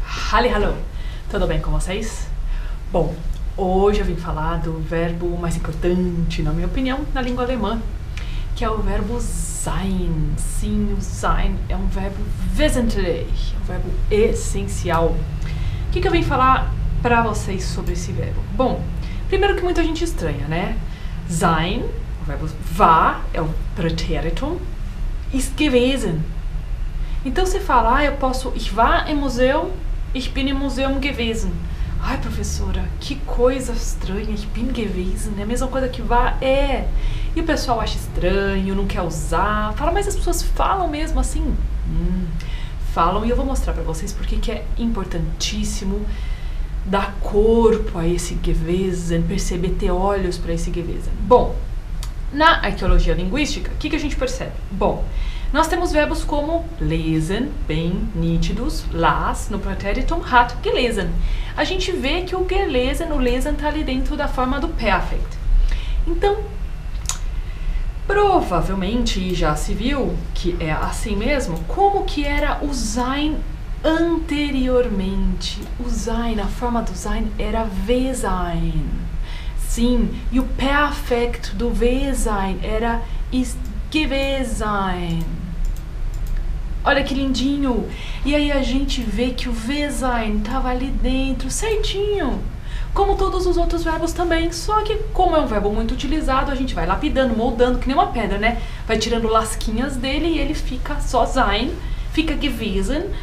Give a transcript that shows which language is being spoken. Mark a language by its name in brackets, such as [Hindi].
[Portuguese] Hallihallo, tudo bem com vocês? Bom, hoje eu vim falar do verbo mais importante, na minha opinião, na língua alemã, que é o verbo sein. Sim, o sein é um verbo wesentlich, é um verbo essencial. O que que eu vim falar para vocês sobre esse verbo? Bom, primeiro que muita gente estranha, né? Sein, o verbo war, é o pretérito, [German] ist gewesen. [Portuguese] Então se falar, eu posso [German] ich war im Museum. Ich bin im Museum gewesen. [Portuguese] Ai, professora, que coisa estranha. [German] Ich bin gewesen. [Portuguese] É a mesma coisa que vá. É. E o pessoal acha estranho, não quer usar. Fala, mas as pessoas falam mesmo assim? Falam e eu vou mostrar para vocês porque que é importantíssimo dar corpo a esse gewesen, perceber, ter olhos para esse gewesen. Bom, na arqueologia linguística, o que que a gente percebe? Bom, nós temos verbos como lesen, bem nítidos, las, no pretéritum, [German] hat, gelesen. [Portuguese] A gente vê que o gelesen, o lesen, está ali dentro da forma do perfect. Então, provavelmente já se viu que é assim mesmo, como que era o sein anteriormente? O sein, a forma do sein era wesein. Sim, e o perfect do wesein era ist gewesen. Olha que lindinho! E aí a gente vê que o wesein estava ali dentro, certinho! Como todos os outros verbos também, só que como é um verbo muito utilizado, a gente vai lapidando, moldando, que nem uma pedra, né? Vai tirando lasquinhas dele e ele fica só sein, fica gewesen.